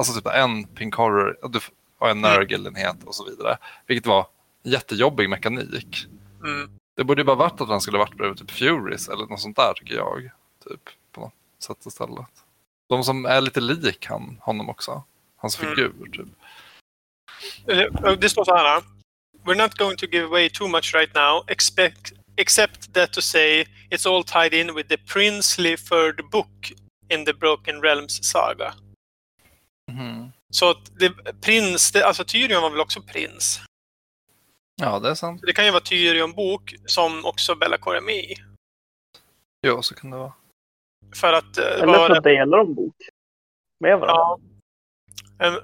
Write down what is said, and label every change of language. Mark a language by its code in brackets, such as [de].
[sv] Alltså typ en Pink Horror och en Nurgle-enhet och så vidare. Vilket var en jättejobbig mekanik. Mm. Det borde ju bara varit att han skulle varit bredvid typ Furies eller något sånt där tycker jag. Typ på något sätt istället. De som är lite lik honom också. Hans figur typ. Det står så här. [en] We're not going to give away too much right now. Except that to say it's all tied in with the princely third book in the Broken Realms saga. Mm-hmm. [sv] Så att det, prins, det, alltså Tyrion var väl också prins? Ja, det är sant. Det kan ju vara Tyrion-bok som också Bellacor är med i. Ja, så kan det vara. För att eller så delar de bok med varandra. Ja.